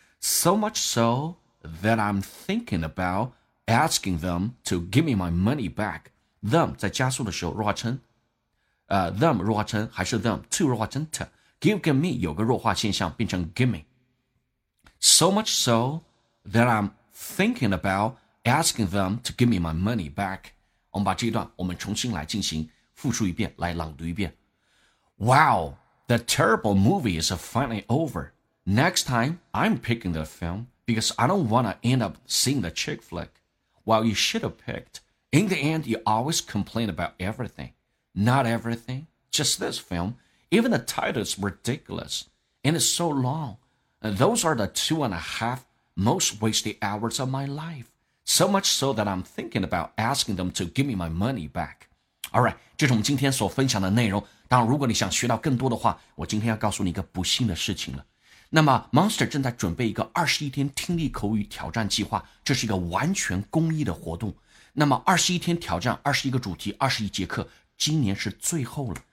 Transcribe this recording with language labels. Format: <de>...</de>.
<en>So much so that I'm thinking about asking them to give me my money back.</en> <zh>Them 在加速的时候弱化成 them 弱化成还是 them to 弱化成 t</zh> <en>Give and me</en> <zh>有个弱化现象变成</zh> <en>give me. So much so that I'm thinking about asking them to give me my money back.</en> <zh>我们把这一段我们重新来进行复述一遍，来朗读一遍。</zh> <en>Wow, the terrible movie is finally over. Next time, I'm picking the film because I don't want to end up seeing the chick flick. Well, you should have picked. In the end, you always complain about everything. Not everything, just this film. Even the title is ridiculous, and it's so long. Those are the 2.5 most wasted hours of my life, so much so that I'm thinking about asking them to give me my money back. All right,</en> <zh>这是我们今天所分享的内容。当然，如果你想学到更多的话，我今天要告诉你一个不幸的事情了。那么 Monster 正在准备一个21天听力口语挑战计划，这是一个完全公益的活动。那么21天挑战，21个主题，21节课，今年是最后了。</zh>